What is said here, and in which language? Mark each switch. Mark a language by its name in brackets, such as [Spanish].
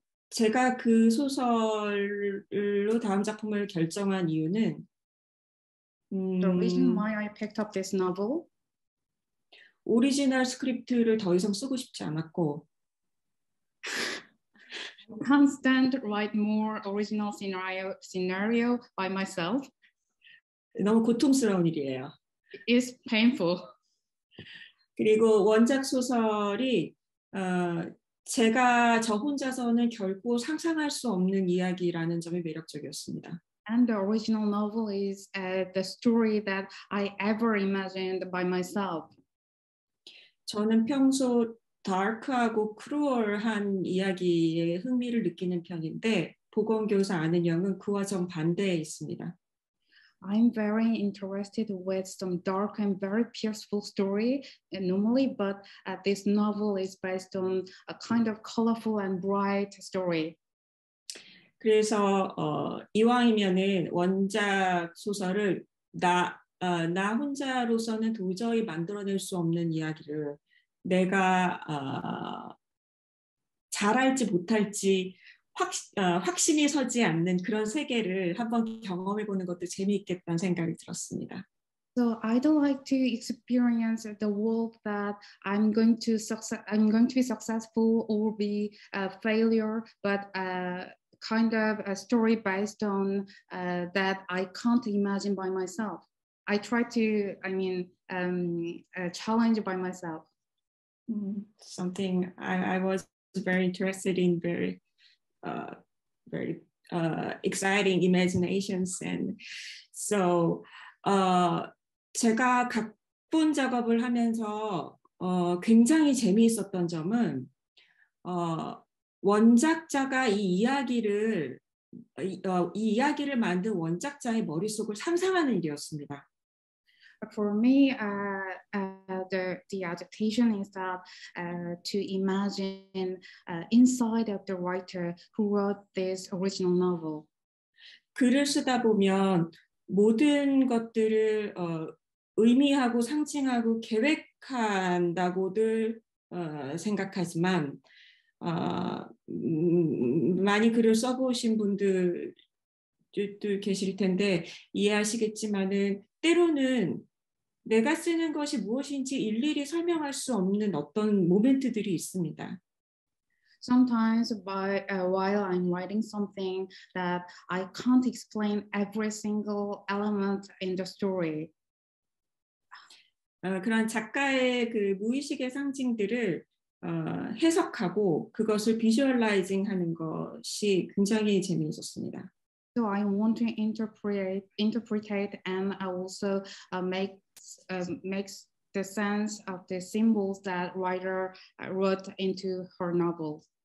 [Korean] 제가 그 소설로 다음 작품을 결정한 이유는. [English] The reason why I picked up this novel. [Korean] 오리지널 스크립트를 더 이상 쓰고 싶지 않았고. [English] I can't stand write more original scenario by myself. [Korean] 너무 고통스러운 일이에요. [English] It's painful. [Korean] 그리고 원작 소설이 제가 저 혼자서는 결코 상상할 수 없는 이야기라는 점이 매력적이었습니다. [English] And the original novel is the story that I ever imagined by myself. [Korean] 저는 평소 다크하고 크루얼한 이야기에 흥미를 느끼는 편인데 보건교사 아는 형은 그와 정반대에 있습니다. [English] I'm very interested with some dark and very peaceful story normally, but this novel is based on a kind of colorful and bright story. [Korean] 그래서 이왕이면은 원작 소설을 나 혼자로서는 도저히 만들어낼 수 없는 이야기를 내가 잘할지 못할지 확신이 서지 않는 그런 세계를 한번 경험해보는 것도 재미있겠다는 생각이 들었습니다. [English] So I don't like to experience the world that I'm going to I'm going to be successful or be a failure, but kind of a story based on that I can't imagine by myself. I try to, I mean, challenge by myself. Something I was very interested in, very exciting imaginations. [Korean] And so 제가 각본 작업을 하면서 굉장히 재미있었던 점은 원작자가 이 이야기를 만든 원작자의 머릿속을 상상하는 일이었습니다. [English] For me, the adaptation is that to imagine inside of the writer who wrote this original novel. [Korean] 글을 쓰다 보면 모든 것들을 의미하고 상징하고 계획한다고들 생각하지만 많이 글을 써보신 분들도 계실 텐데 이해하시겠지만은 때로는 내가 쓰는 것이 무엇인지 일일이 설명할 수 없는 어떤 모멘트들이 있습니다. [English] Sometimes while I'm writing something that I can't explain every single element in the story. [Korean] 그런 작가의 그 무의식의 상징들을 해석하고 그것을 비주얼라이징 하는 것이 굉장히 재미있었습니다. [English] So I want to interpret and also make the sense of the symbols that writer wrote into her novel.